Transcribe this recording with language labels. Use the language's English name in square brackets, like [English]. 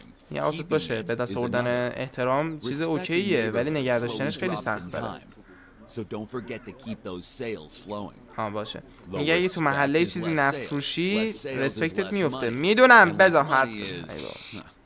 [Persian] یه حواست باشه، به دست آوردن احترام چیز اوکیه، ولی نگه داشتنش خیلی سخته. [English] So don't forget to keep those sales flowing. [Persian] ها باشه. میگه اگه تو محله چیزی نفروشی رسپکتت میفته. میدونم بذار حرف بزنم.